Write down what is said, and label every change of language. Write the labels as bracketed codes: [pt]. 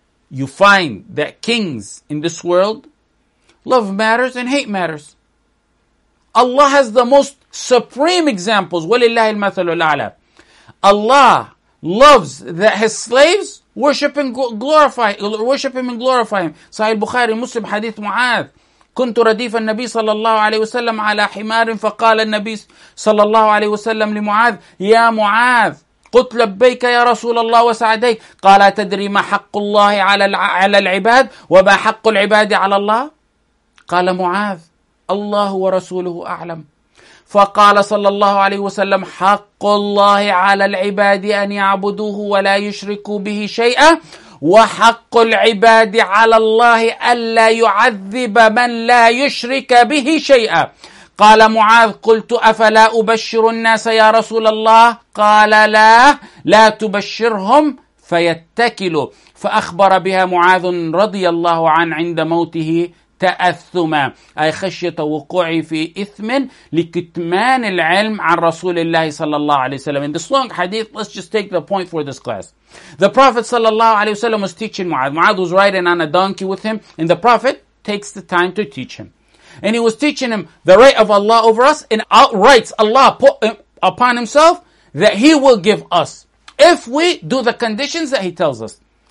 [en] You find that kings in this world love matters and hate matters. Allah has the most supreme examples. [ar] وَلِلَّهِ الْمَثَلُ الْعَلَى. [en] Allah loves that His slaves worship Him and glorify Him. Sahih Bukhari, Muslim, Hadith Mu'adh. [ar] كُنْتُ رَدِيفَ النَّبِي صلى الله عليه وسلم على حِمَارٍ فَقَالَ النَّبِي صلى الله عليه وسلم لِمُعَاذ يَا مُعَاذ قُتْ لَبَّيْكَ يَا رَسُولَ اللَّهِ وَسَعَدَيْكَ قَالَ تَدْرِي مَا حَقُّ اللَّهِ عَلَى الْعِبَادِ وَمَا حَقُّ الْعِبَادِ عَلَى اللَّهِ قَالَ مُعَاذ اللَّهُ وَرَسُولُهُ أَعْلَمُ فقال صلى الله عليه وسلم حق الله على العباد أن يعبدوه ولا يشركوا به شيئا وحق العباد على الله ألا يعذب من لا يشرك به شيئا. قال معاذ قلت أفلا أبشر الناس يا رسول الله؟ قال لا تبشرهم فيتكلوا. فأخبر بها معاذ رضي الله عنه عند موته تأثما، أي خشية وقوعي في إثم لكتمان العلم عن رسول الله صلى الله عليه وسلم. [en] In this long hadith, let's just take the point for this class. The Prophet صلى الله عليه وسلم was teaching Mu'adh. Mu'adh was riding on a donkey with him, and the Prophet takes the time to teach him. And he was teaching him the right of Allah over us, and outrights Allah put upon himself that he will give us if we do the conditions that he tells us.